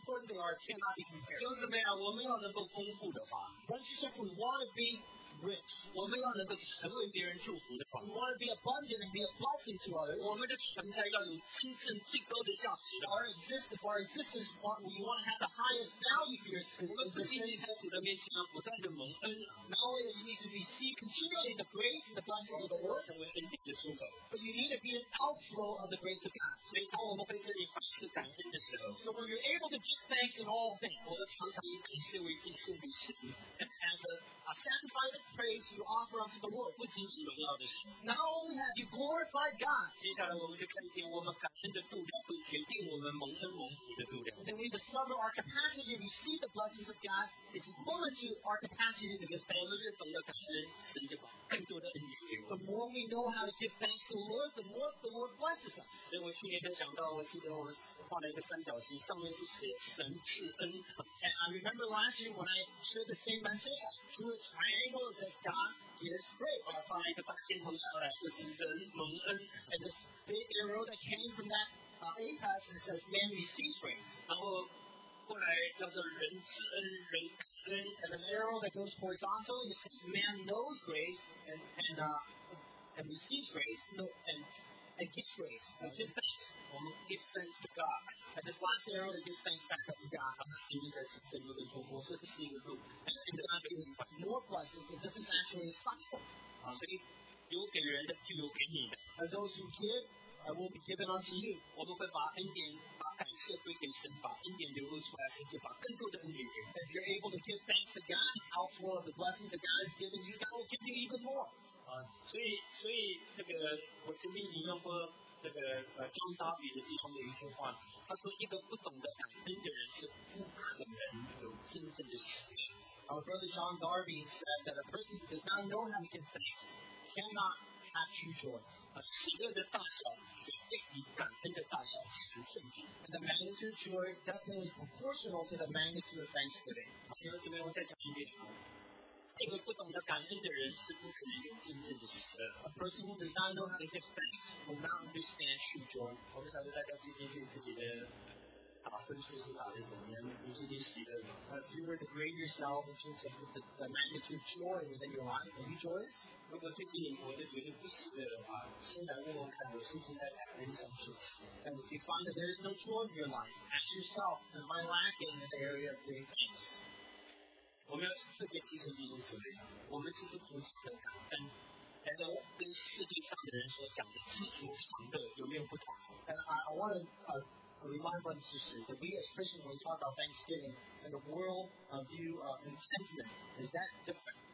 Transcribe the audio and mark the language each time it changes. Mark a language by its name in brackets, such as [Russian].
[Chinese] 兄弟们啊，我们要能够丰富的话 [English] ，Once you say we want to be rich， [Chinese] 我们要能够成为别人祝福的话 [English] ，We want to be abundant and be a blessing to others。 [Chinese] 我们的存在要有真正最高的价值的。 [English] Our existence, we want to have the highest value for yourself。 [Chinese] 我们自己在主的面前要不断的蒙恩。 [English] Not only you need to receive continually the grace and the blessings of the Lord， [Chinese] 成为恩典的出口 [English] ，But you need to be an outflow of the grace of God。 [Chinese] 所以当我们在这里发出感恩的时候 [English] ，So when you're able to give thanks in all things， [Chinese] 我们常常以感谢为祭献给神 [English] ，As a sacrifice of praise。 things you offer unto the world. [Chinese] 不仅是荣耀的事。 [English] Not only have you glorified God. [Chinese] 接下来我们就看见我们感恩的度量会决定我们蒙恩蒙福的度量。 [English] Then we discover our capacity to receive the blessings of God is equal to our capacity to give thanks. [Chinese] 我们越懂得感恩，神就把更多的恩典给我们。 [English] The more we know how to give thanks to the Lord, the more the Lord blesses us. [Chinese] 所以我去年就讲到，我记得我画了一个三角形，上面是写神赐恩。 [English] And I remember last year when I shared the same message, drew a triangle and said, God gives grace. [Chinese] 我放了一个大箭头上来，就是人蒙恩。 [English] And this big arrow that came from that apex and says, man receives grace. [Chinese] 然后过来叫做人赐恩，人感恩。 [English] And an arrow that goes horizontal, it says, man knows grace and receives grace. No, and gives grace. And gives thanks. We give thanks to God. And this last arrow that gives thanks back up to God. I'm just giving that to you a little more. So to see the loop. And it does not give us more blessings. And this is actually a cycle. So you give your end up, you give me. And those who give, I will be given unto you. [Chinese] 我们会把恩典、把感谢归给神，把恩典流露出来，神就把更多的恩典给你。 [English] If you're able to give thanks to God, outflow of the blessings that God has given you, God will give you even more. [Chinese] 所以这个我曾经引用过这个John Darby的其中的一句话，他说一个不懂得感恩的人是不可能有真正的喜乐。 [English] Our brother John Darby said that a person who does not know how to give thanks cannot have true joy. [Chinese] 喜乐的大小决定于感恩的大小是证据。 [English] And the magnitude of joy definitely is proportional to the magnitude of thanksgiving. [Chinese] 弟兄姊妹，我再讲一遍啊，一个不懂得感恩的人是不可能有真正的喜乐。 [English] A person who does not know how to give thanks will not understand true joy. [Chinese] 我不晓得大家今天对自己的打分数是打得怎么样，你自己喜乐吗？ [English] If you were to grade yourself in terms of the magnitude of joy within your life, are you joyous? [Chinese] 如果最近你活得觉得不喜乐的话，现在问问看，有甚至在感恩上受挫。 [English] And if you find that there is no joy in your life, ask yourself, am I lacking in the area of giving thanks? [Chinese] 我们要特别提醒弟兄姊妹，我们基督徒讲的感恩，但是跟世界上的人所讲的知足常乐有没有不同 [English] ？And I want to remind brothers and sisters that we as Christians when we talk about Thanksgiving and the world view and sentiment, is that different?